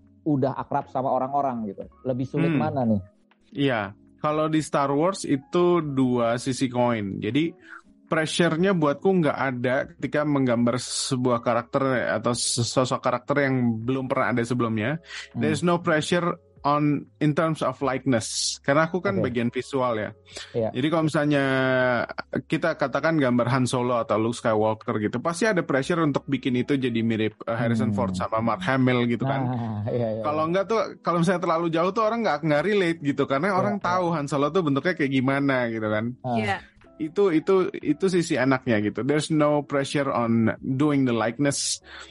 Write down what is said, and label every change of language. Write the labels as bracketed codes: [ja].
[id] udah akrab sama orang-orang gitu. Lebih sulit mana nih? Iya, kalau di Star Wars itu dua sisi koin. Jadi pressure-nya buatku nggak ada ketika menggambar sebuah karakter atau sosok karakter yang belum pernah ada sebelumnya. [en] There is no pressure on in terms of likeness. [id] Karena aku kan bagian visual ya. Yeah. Jadi kalau misalnya kita katakan gambar Han Solo atau Luke Skywalker gitu, pasti ada pressure untuk bikin itu jadi mirip Harrison Ford sama Mark Hamill gitu kan. Kalau enggak tuh, kalau misalnya terlalu jauh tuh orang enggak relate gitu, karena orang tahu Han Solo tuh bentuknya kayak gimana gitu kan. Itu sisi enaknya gitu. [en] There's no pressure on doing the likeness.